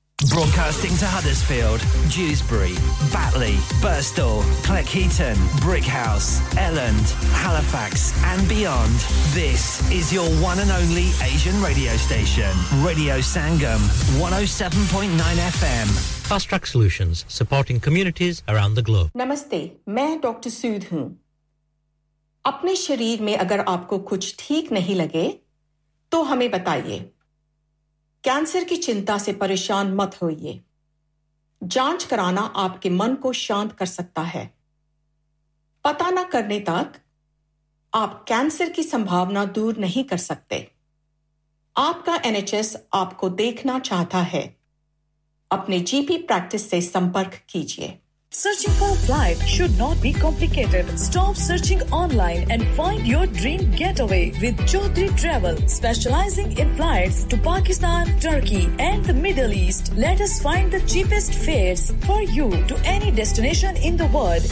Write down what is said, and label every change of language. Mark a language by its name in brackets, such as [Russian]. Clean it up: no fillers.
[English] Broadcasting to Huddersfield, Dewsbury, Batley, Birstall, Cleckheaton, Brickhouse, Elland, Halifax and beyond. This is your one and only Asian radio station. Radio Sangam, 107.9 FM. Fast Track Solutions, supporting communities around the globe. [Hindi] Namaste, main Dr. Sood hoon. अपने शरीर में अगर आपको कुछ ठीक नहीं लगे तो हमें बताइए कैंसर की चिंता से परेशान मत होइए जांच कराना आपके मन को शांत कर सकता है पता न करने तक आप कैंसर की संभावना दूर नहीं कर सकते आपका एनएचएस आपको देखना चाहता है अपने जीपी प्रैक्टिस से संपर्क कीजिए [English] Searching for a flight should not be complicated. Stop searching online and find your dream getaway with Chaudhry Travel, specializing in flights to Pakistan, Turkey, and the Middle East. Let us find the cheapest fares for you to any destination in the world.